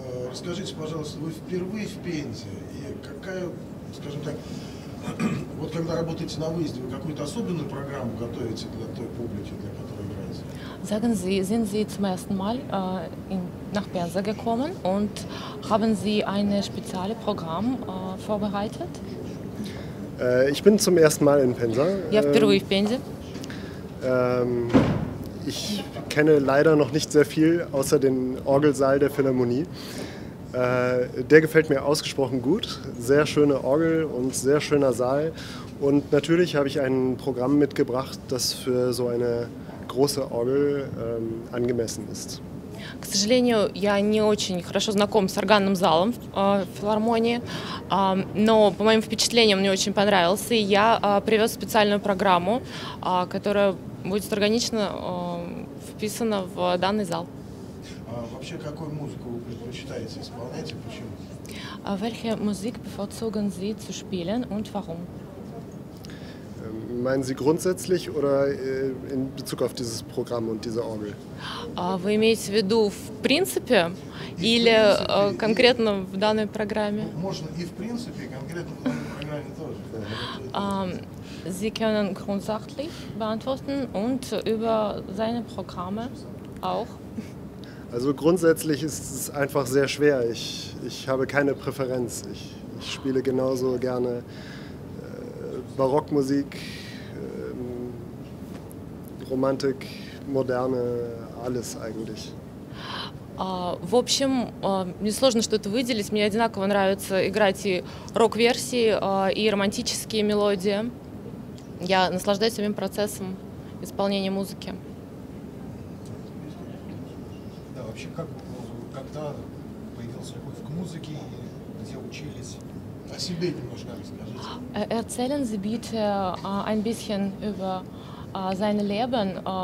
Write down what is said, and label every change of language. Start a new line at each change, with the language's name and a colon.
Russian: Расскажите, пожалуйста, вы впервые в Пензе, и какая, скажем так, вот когда работаете на выезде, вы какую-то особенную программу готовите для той публики, для которой играете?
German: Sagen Sie, sind Sie zum ersten Mal nach Pensa gekommen und haben Sie ein spezielles Programm vorbereitet? Ich bin zum ersten Mal in Pensa. Ja, beruhig, Pensa. Ich kenne leider noch nicht sehr viel außer den Orgelsaal der Philharmonie. Der gefällt mir ausgesprochen gut. Sehr schöne Orgel und sehr schöner Saal. Und natürlich habe ich ein Programm mitgebracht, das für so eine große Orgel angemessen ist.
Russian: К сожалению, я не очень хорошо знаком с органным залом филармонии, но по моим впечатлениям мне очень понравился, и я привез специальную программу, которая будет органично вписана в данный зал. Вообще, какую музыку вы предпочитаете исполнять и почему?
German: Welche Musik bevorzugen Sie zu spielen und warum? Meinen Sie grundsätzlich oder in Bezug auf dieses Programm und diese Orgel?
Russian: Вы имеете в виду в принципе или конкретно в данной программе? Можно и в принципе, конкретно в данной программе тоже.
German: Sie können grundsätzlich beantworten und über seine Programme auch. Also grundsätzlich ist es einfach sehr schwer. Ich habe keine Präferenz. Ich spiele genauso gerne Barockmusik, Romantik, Moderne, alles eigentlich.
Russian: В общем, мне сложно что-то выделить. Мне одинаково нравится играть и рок-версии, и романтические мелодии. Я наслаждаюсь своим процессом исполнения музыки. Да, вообще, как, когда появилась любовь к музыке, где учились?
German: Erzählen Sie bitte ein bisschen über sein Leben.